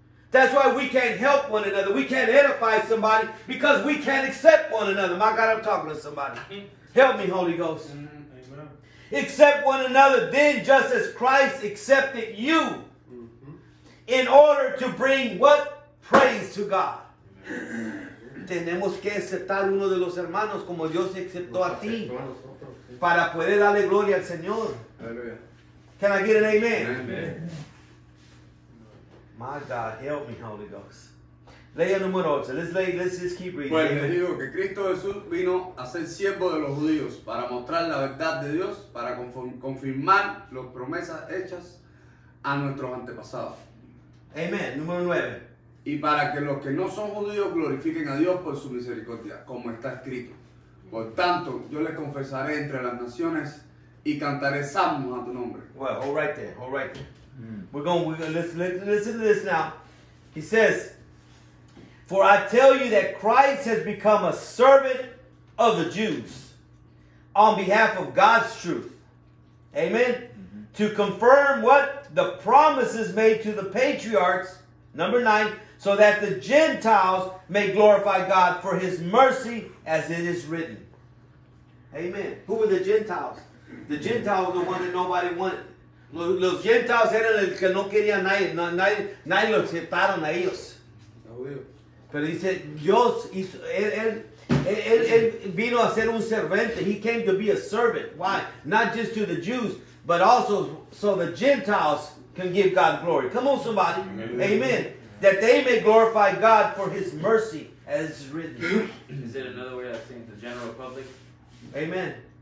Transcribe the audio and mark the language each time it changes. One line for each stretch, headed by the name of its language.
English: That's why we can't help one another. We can't edify somebody because we can't accept one another. My God, I'm talking to somebody. Help me, Holy Ghost. Amen. Accept one another then just as Christ accepted you. In order to bring what? Praise to God.
Spanish: Tenemos que aceptar uno de los hermanos como Dios aceptó a ti. Para poder darle gloria al Señor.
English: Can I get an amen? Amen. My God, help me, Holy Ghost.
Spanish: Lea número 8.
English: Let's just keep reading.
Spanish: Pues les digo que Cristo Jesús vino a ser siervo de los judíos para mostrar la verdad de Dios, para confirmar las promesas hechas a nuestros antepasados. Amen. Número 9. Y para que los que no son judíos glorifiquen a Dios por su misericordia, como está escrito. Por tanto, yo les confesaré entre las naciones y cantaré salmos a tu nombre.
English: Well, all right there. Mm. We're going, listen to this now. He says, for I tell you that Christ has become a servant of the Jews on behalf of God's truth. Amen. To confirm what? The promises made to the patriarchs, number 9, so that the Gentiles may glorify God for his mercy as it is written. Amen. Who were the Gentiles? The Gentiles were the one that nobody wanted.
Spanish: Los Gentiles eran los que no querían nadie. Nadie los aceptaron a ellos. Pero dice, Dios hizo, él vino a ser un servente.
English: He came to be a servant. Why? Not just to the Jews, but also so the Gentiles can give God glory. Come on, somebody. Amen. Amen. That they may glorify God for his mercy, as written. Is it another way of saying the general public? Amen.